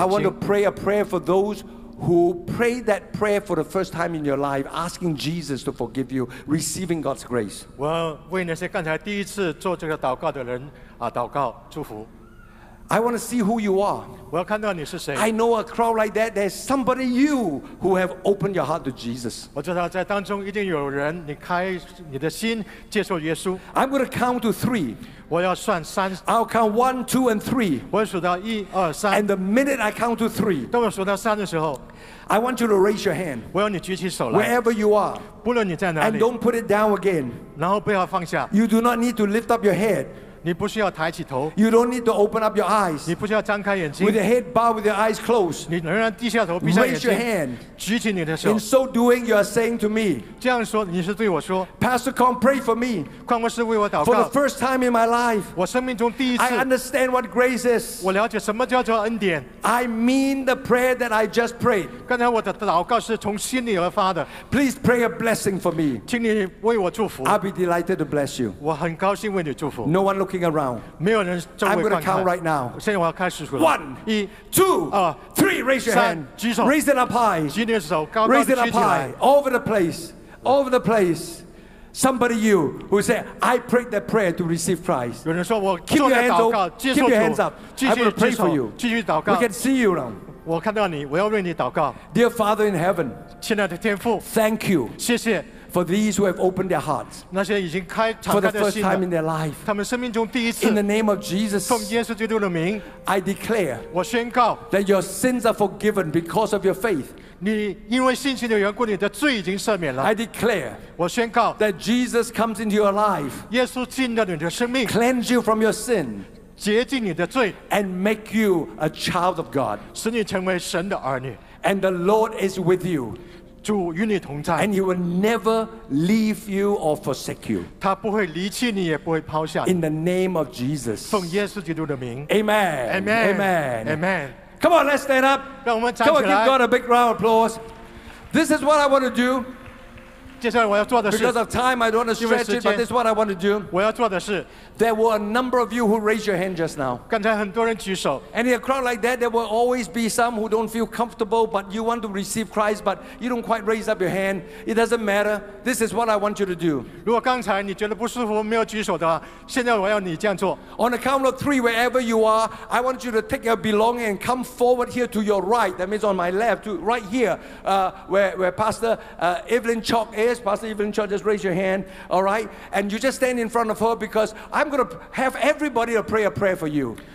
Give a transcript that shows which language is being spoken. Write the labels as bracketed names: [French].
[English] I want to pray a prayer for those who pray that prayer for the first time in your life, asking Jesus to forgive you, receiving God's grace. [Chinese] 我为那些刚才第一次做这个祷告的人啊，祷告祝福。 [English] I want to see who you are. [Chinese] 我要看到你是谁。 [English] I know a crowd like that. There's somebody you who have opened your heart to Jesus. [Chinese] 我知道在当中一定有人，你开你的心接受耶稣。 [English] I'm going to count to three. [Chinese] 我要算三。 [English] I'll count one, two, and three. [Chinese] 我数到一二三。 [English] And the minute I count to three, [Chinese] 当我数到三的时候。 [English] I want you to raise your hand. [Chinese] 我要你举起手来。 [English] Wherever you are, [Chinese] 不论你在哪里。 [English] And don't put it down again. [Chinese] 然后不要放下。 [English] You do not need to lift up your head. [Chinese] 你不需要抬起头。 [English] You don't need to open up your eyes. [Chinese] 你不需要张开眼睛。 [English] With your head bowed, with your eyes closed. [Chinese] 你仍然低下头，闭上眼睛。 [English] Raise your hand. [Chinese] 举起你的手。 [English] In so doing, you are saying to me. [Chinese] 这样说，你是对我说。 [English] Pastor Kong, pray for me. [Chinese] 邝牧师为我祷告。 [English] For the first time in my life. [Chinese] 我生命中第一次。 [English] I understand what grace is. [Chinese] 我了解什么叫做恩典。 [English] I mean the prayer that I just prayed. [Chinese] 刚才我的祷告是从心里而发的。 [English] Please pray a blessing for me. [Chinese] 请你为我祝福。 [English] I'll be delighted to bless you. [Chinese] 我很高兴为你祝福。 [English] No one looking around. [Chinese] 没有人周围观看。 [English] I'm going to count right now. [Chinese] 现在我要开始数了。 [English] One, two, three. Raise your hand. [Chinese] 举手。 [English] Raise it up high. [Chinese] 举你的手，高高举起。 [English] Raise it up high. Over the place. Over the place. Somebody you who say, I prayed that prayer to receive Christ. [Chinese] 有人说我做了祷告， [English] Keep your hands up. [Chinese] 继续举手。 [English] Pray for you. [Chinese] 继续祷告。 [English] We can see you now. [Chinese] 我看到你，我要为你祷告。 [English] Dear Father in heaven, [Chinese] 亲爱的天父 [English] ，Thank you, [Chinese] 谢谢 [English] for these who have opened their hearts, [Chinese] 那些已经开敞开的心 [English] for the first time in their life, [Chinese] 他们生命中第一次 [English] in the name of Jesus, [Chinese] 奉耶稣基督的名 [English] ，I declare, [Chinese] 我宣告 [English] that your sins are forgiven because of your faith, [Chinese] 你因为信心的缘故，你的罪已经赦免了。 [English] I declare, [Chinese] 我宣告 [English] that Jesus comes into your life, [Chinese] 耶稣进到你的生命 [English] ，cleanse you from your sin. [Chinese] 洁净你的罪 [English] and make you a child of God, [Chinese] 使你成为神的儿女 [English] and the Lord is with you, [Chinese] 主与你同在。 [English] And he will never leave you or forsake you. [Chinese] 他不会离弃你，也不会抛下你。 [English] In the name of Jesus. [Chinese] 奉耶稣基督的名。 [English] Amen. Amen. Amen. Amen. Come on, let's stand up. [Chinese] 让我们站起来。 [English] Come on, give God a big round of applause. This is what I want to do. [Chinese] 接下来我要做的是。 [English] Because of time, I don't want to stretch it, but this is what I want to do. [Chinese] 我要做的是。 [English] There were a number of you who raised your hand just now. [Chinese] 刚才很多人举手。 [English] And in a crowd like that, there will always be some who don't feel comfortable, but you want to receive Christ, but you don't quite raise up your hand. It doesn't matter. This is what I want you to do. [Chinese] 如果刚才你觉得不舒服，没有举手的话，现在我要你这样做。 [English] On the count of three, wherever you are, I want you to take your belongings and come forward here to your right. That means on my left, to right here, where Pastor Evelyn Chok is. Pastor Evelyn Chok, just raise your hand. All right, and you just stand in front of her because I'm going to have everybody to pray a prayer for you.